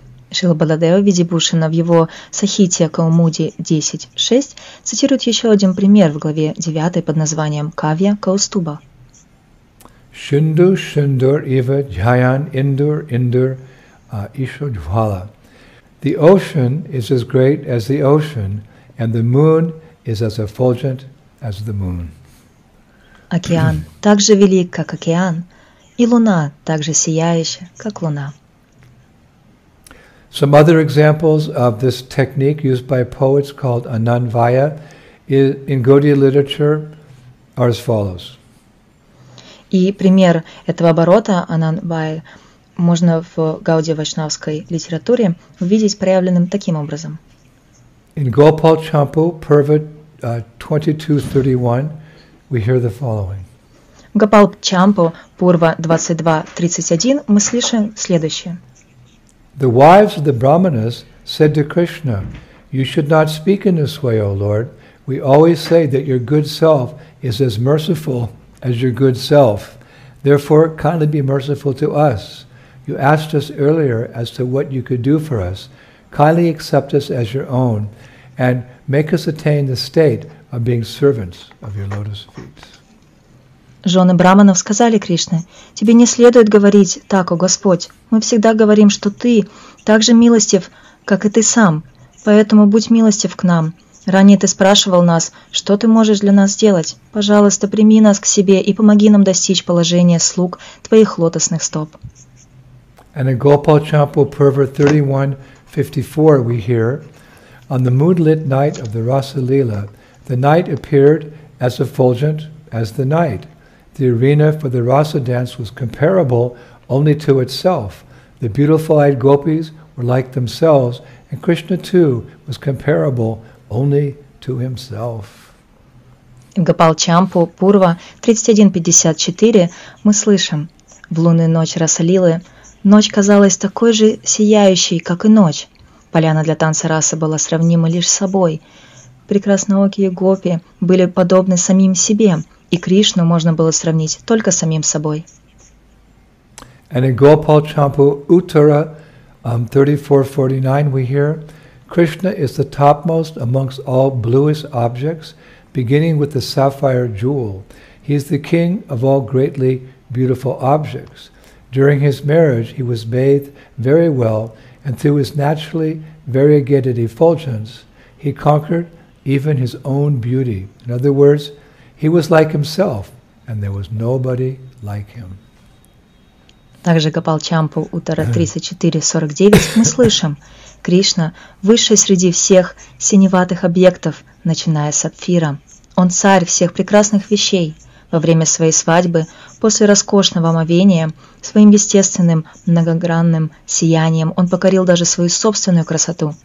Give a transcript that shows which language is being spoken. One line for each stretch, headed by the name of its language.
Russian: Шрила Баладева Видибушина в его Сахите Каумуди 10.6 цитирует еще один пример в главе 9 под названием «Кавья Каустуба».
Sanskrit: Шинду Шиндур Ива Джайан Индур Индур Ишоджвала.
English: The ocean is as great as the ocean, and the moon is as effulgent as the moon.
Russian: Океан так же велик, как океан, и луна так же сияющая, как луна.
English: Some other examples of this technique used by poets called Ananvaya in Gaudiya literature are as follows.
Russian: И пример этого оборота Ананвая можно в Гауди Вайшнавской литературе увидеть проявленным таким образом.
English: In Gopal Champu, Purva 22.31, we hear the following.
Russian: В Гопал Чампу, Пурва 22.31, мы слышим следующее.
English: The wives of the brahmanas said to Krishna, "You should not speak in this way, O Lord. We always say that your good self is as merciful as your good self. Therefore, kindly be merciful to us. You asked us earlier as to what you could do for us. Kindly accept us as your own and make us attain the state of being servants of your lotus feet."
Russian: Жены браманов сказали Кришне, «Тебе не следует говорить так, о Господь. Мы всегда говорим, что Ты так же милостив, как и Ты сам. Поэтому будь милостив к нам. Ранее Ты спрашивал нас, что Ты можешь для нас сделать. Пожалуйста, прими нас к себе и помоги нам достичь положения слуг Твоих лотосных стоп».
English: And in Gopal Champu, Purva 31.54, we hear, «On the moonlit night of the Rasa Lila, the night appeared as effulgent as the night. The arena for the rasa dance was comparable only to itself. The beautiful-eyed gopis were like themselves, and Krishna too was comparable only to himself. In Gopal Champu, Purva 31.54,
Russian: мы слышим: в лунную ночь Расалилы ночь казалась такой же сияющей, как и ночь. Поляна для танца расы была сравнима лишь с собой. Прекрасноокие гопи были подобны самим себе. И Кришну можно было сравнить только с самим собой.
English: And in Gopal Champu Uttara 34.49 we hear, Krishna is the topmost amongst all bluest objects, beginning with the sapphire jewel. He is the king of all greatly beautiful objects. During his marriage, he was bathed very well, and through his naturally variegated effulgence, he conquered even his own beauty. In other words, he was like himself, and there was nobody like him.
Russian: Также Гопал Чампу Утара 34.49 мы слышим: Кришна выше среди всех синеватых объектов, начиная с сапфира. Он царь всех прекрасных вещей. Во время своей свадьбы, после роскошного омовения, своим естественным многогранным сиянием он покорил даже свою собственную красоту.